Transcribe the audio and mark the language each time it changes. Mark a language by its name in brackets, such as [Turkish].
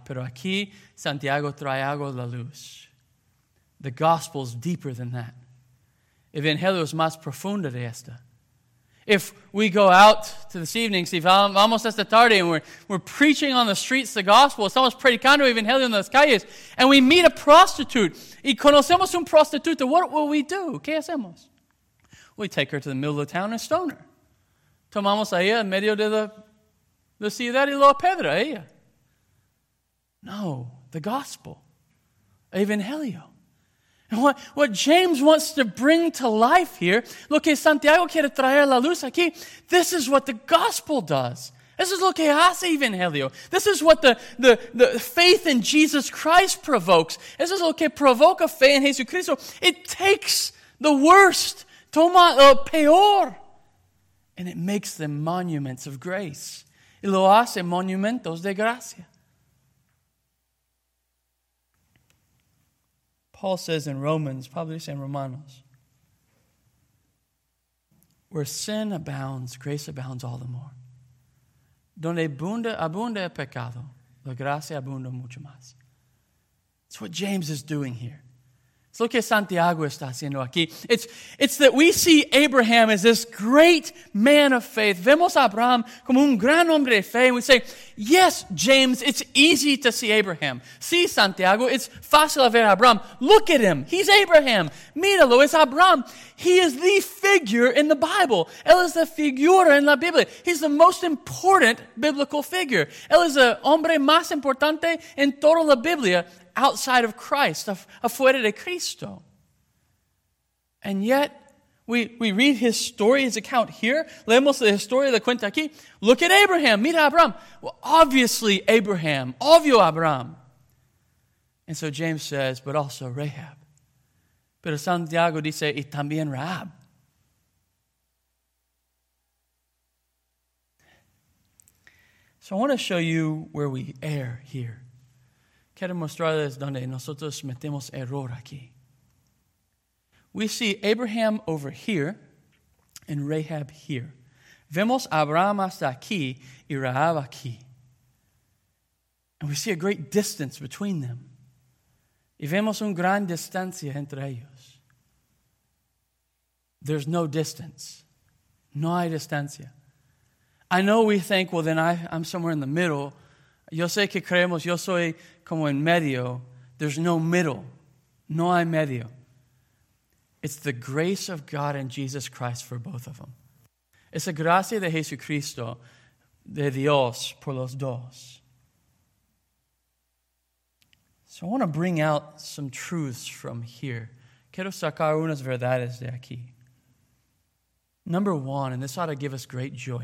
[Spanish] Pero aquí Santiago trae algo a la luz. [English] The gospel's deeper than that. [Spanish] Evangelio es más profundo de esta. [English] If we go out to this evening, [Spanish] si vamos esta tarde, [English] and we're preaching on the streets the gospel, [Spanish] estamos predicando evangelio en las calles, [English] and we meet a prostitute, [Spanish] y conocemos un prostituta, [English] what will we do? [Spanish] ¿Qué hacemos? [English] We take her to the middle of town and stone her. [Spanish] Tomamos a ella en medio de la ciudad y la pedra, ella. [English] No, the gospel, evangelio. What James wants to bring to life here, [Spanish] lo que Santiago quiere traer la luz aquí, [English] this is what the gospel does. This is [Spanish] lo que hace evangelio. [English] This is what the faith in Jesus Christ provokes. This is [Spanish] lo que provoca fe en Jesucristo. [English] It takes the worst, [Spanish] toma el peor, [English] and it makes them monuments of grace. [Spanish] Y lo hace monumentos de gracia. [English] Paul says in Romans, probably say in Romanos, where sin abounds, grace abounds all the more. [Spanish] donde abunda, abunda el pecado, la gracia abunda mucho más. [English] It's what James is doing here. It's [Spanish] lo que Santiago está haciendo aquí. [English] It's that we see Abraham as this great man of faith. [Spanish] Vemos a Abraham como un gran hombre de fe. [English] And we say, yes, James, it's easy to see Abraham. [Spanish] Sí, Santiago, [English] it's [Spanish] fácil ver a Abraham. [English] Look at him. He's Abraham. [Spanish] Míralo, es Abraham. [English] He is the figure in the Bible. [Spanish] Él es la figura en la Biblia. [English] He's the most important biblical figure. [Spanish] Él es el hombre más importante en toda la Biblia. [English] Outside of Christ, [Spanish] afuera de Cristo. [English] And yet, we read his story, his account here. [Spanish] Leemos la historia, la cuenta aquí. [English] Look at Abraham. [Spanish] Mira Abraham. [English] Well, obviously Abraham. [Spanish] Obvio Abraham. [English] And so James says, but also Rahab. [Spanish] Pero Santiago dice, y también Rahab. [English] So I want to show you where we err here. [Spanish] Quiero mostrarles donde nosotros metemos error aquí. [English] We see Abraham over here and Rahab here. [Spanish] Vemos Abraham hasta aquí y Rahab aquí. [English] And we see a great distance between them. [Spanish] Y vemos una gran distancia entre ellos. [English] There's no distance. [Spanish] No hay distancia. [English] I know we think, well, then I'm somewhere in the middle. [Spanish] Yo sé que creemos, yo soy como en medio. [English] There's no middle. [Spanish] No hay medio. [English] It's the grace of God and Jesus Christ for both of them. [Spanish] Es la gracia de Jesucristo, de Dios, por los dos. [English] So I want to bring out some truths from here. [Spanish] Quiero sacar unas verdades de aquí. [English] Number one, and this ought to give us great joy.